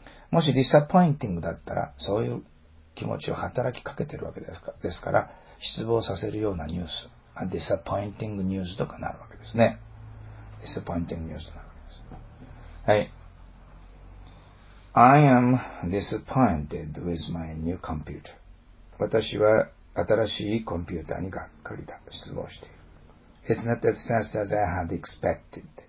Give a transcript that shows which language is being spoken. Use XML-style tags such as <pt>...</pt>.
<ja>もしディサポインティングだったら、そういう気持ちを働きかけてるわけですか、ですから失望させるようなニュース、ディサポインティングニュースとかなるわけですね。ディサポインティングニュースとなるわけです。</ja> <en>はい、I am disappointed with my new computer.</en> <ja>私は新しいコンピューターにがっかりだ、失望している。</ja> <en>It's not as fast as I had expected.</en>